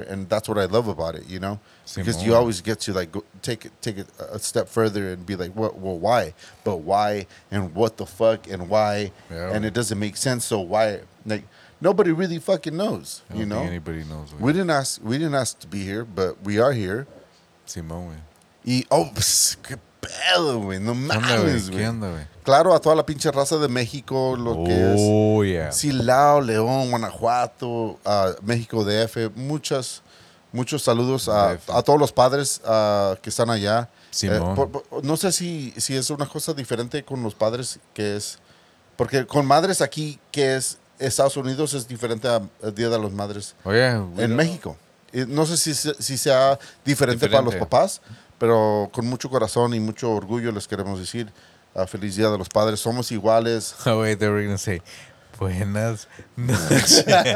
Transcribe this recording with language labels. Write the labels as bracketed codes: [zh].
[en] And that's what I love about it, you know? Because you always get to, like, take it a step further and be like, well, why? But why? And what the fuck? And why? Yeah. And it doesn't make sense. So why? Like, nobody really fucking knows, you know? Think anybody knows. Man. We didn't ask to be here, but we are here. [es] Simone. Qué pedo, güey. No mames, güey. Claro, a toda la pinche raza de México, Silao, León, Guanajuato, México DF, muchos saludos a todos los padres que están allá. Simón. No sé si es una cosa diferente con los padres, que es, porque con madres aquí, que es Estados Unidos, es diferente al Día de las Madres en México. No sé si sea diferente para los papás, pero con mucho corazón y mucho orgullo les queremos decir. Feliz Día de los Padres. Somos iguales. [en] Oh, wait, they were going to say, [es] buenas noches.